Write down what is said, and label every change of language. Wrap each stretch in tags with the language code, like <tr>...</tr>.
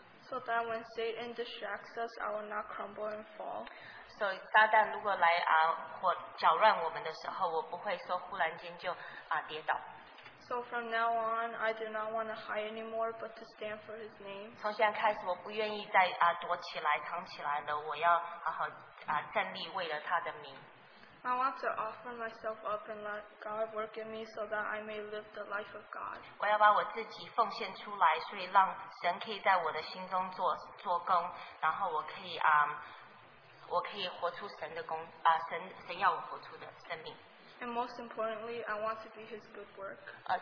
<en>So that when Satan distracts us, I will not crumble and fall. So</en> <zh>撒旦如果来或搅乱我们的时候，我不会说忽然间就跌倒。</zh> <en>So from now on, I do not want to hide anymore, but to stand for His name.</en> <zh>从现在开始，我不愿意再躲起来藏起来了。我要好好站立，为了他的名。</zh> <en>I want to offer myself up and let God work in me so that I may live the life of God.</en> <zh>我要把我自己奉献出来，所以让神可以在我的心中做工，然后我可以活出神的工，神要我活出的生命。</zh> <en>And most importantly, I want to do His good work.</en>